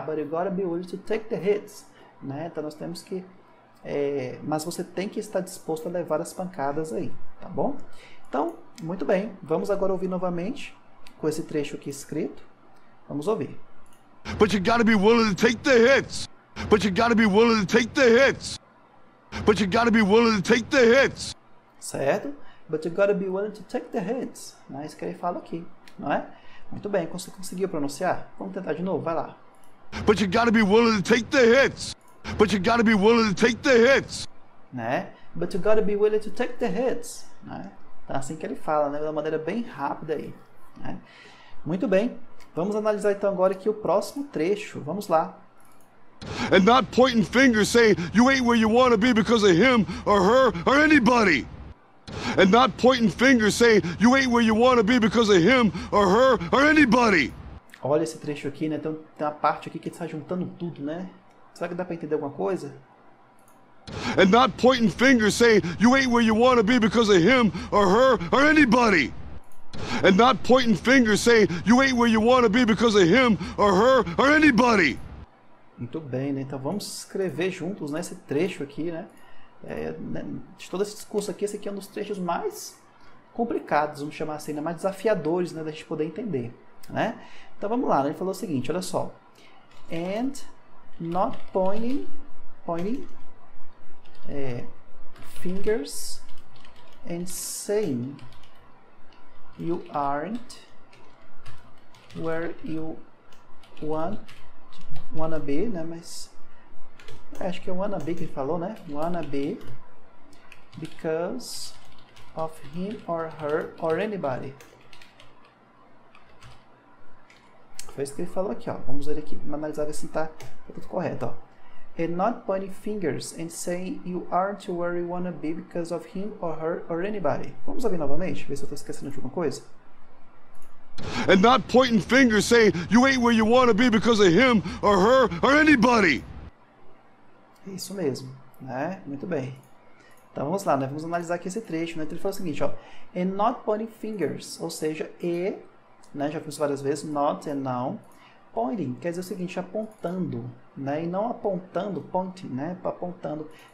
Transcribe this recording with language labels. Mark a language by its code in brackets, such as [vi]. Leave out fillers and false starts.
[en] But you gotta be willing to take the hits, né? [pt] Então, nós temos que. Mas você tem que estar disposto a levar as pancadas aí, tá bom? Então, muito bem. Vamos agora ouvir novamente com esse trecho aqui escrito. Vamos ouvir. [en] But you gotta be willing to take the hits. But you gotta be willing to take the hits. But you gotta be willing to take the hits. [pt] Certo? [en] But you gotta be willing to take the hits. [pt] Né? Isso que ele fala aqui, não é? Muito bem, você conseguiu pronunciar? Vamos tentar de novo, vai lá. [en] But you gotta be willing to take the hits. But you gotta be willing to take the hits. [pt] Né? [en] But you gotta be willing to take the hits. [pt] Né? Tá assim que ele fala, né? De uma maneira bem rápida aí. Né? Muito bem, vamos analisar então agora aqui o próximo trecho. Vamos lá. [en] And not pointing fingers saying you ain't where you want to be because of him or her or anybody. And not pointing fingers saying you ain't where you want to be because of him or her or anybody. [pt] Olha esse trecho aqui, né? Tem uma parte aqui que está juntando tudo, né? Será que dá para entender alguma coisa? And not pointing fingers saying you ain't where you want to be because of him or her or anybody. And not pointing fingers saying you ain't where you want to be because of him or her or anybody. Muito bem, né? Então vamos escrever juntos, né, esse trecho aqui, né? De todo esse discurso aqui, esse aqui é um dos trechos mais complicados, vamos chamar assim, né? Mais desafiadores, né, da gente poder entender. Né? Então vamos lá, ele falou o seguinte, olha só. [en] And not pointing fingers and saying you aren't where you wanna be, né? [pt] Mas acho que é [en] wanna be [pt] que ele falou, né? [en] Wanna be because of him or her or anybody. [pt] Foi isso que ele falou aqui, ó. Vamos ver aqui, analisar ver se tá tudo correto, ó. [en] And not pointing fingers and saying you aren't where you wanna be because of him or her or anybody. [pt] Vamos ouvir novamente, ver se eu tô esquecendo de alguma coisa. [en] And not pointing fingers saying you ain't where you want to be because of him or her or anybody. [pt] É isso mesmo, né? Muito bem. Então vamos lá, né? Vamos analisar aqui esse trecho, né? Então ele fala o seguinte, ó. [en] And not pointing fingers, [pt] ou seja, e, né? Já fiz várias vezes, not e não. Pointing quer dizer o seguinte, apontando, né? E não apontando, pointing, né? Apontando.